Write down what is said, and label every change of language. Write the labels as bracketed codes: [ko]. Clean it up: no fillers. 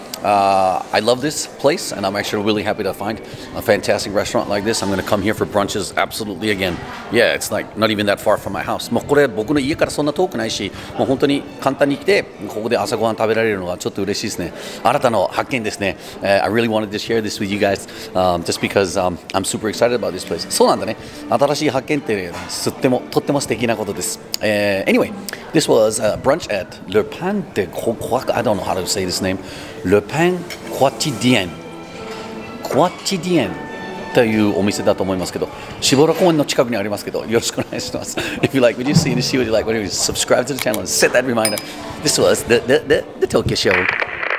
[en] I love this place and I'm actually really happy to find a fantastic restaurant like this. I'm going to come here for brunches absolutely again. Yeah, it's like not even that far from my house. [ja] もうこれ僕の家からそんな遠くないし、もう本当に簡単に来てここで朝ごはん食べられるのはちょっと嬉しいですね。新たな発見ですね。 [en] I really wanted to share this with you guys just because I'm super excited about this place. [ja] そうなんだね。新しい発見ってすってもとっても素敵なことです。 [en] Anyway, this was brunch at Le Pain de Croix. I don't know how to say this name. [ja] Le Pain Quotidien Quotidien というお店だと思いますけど、シボラ公園の近くにありますけど、よろしくお願いします。 [en] If you like what you see and see what you like, whatever, subscribe to the channel and set that reminder. This was the Tokyo Show.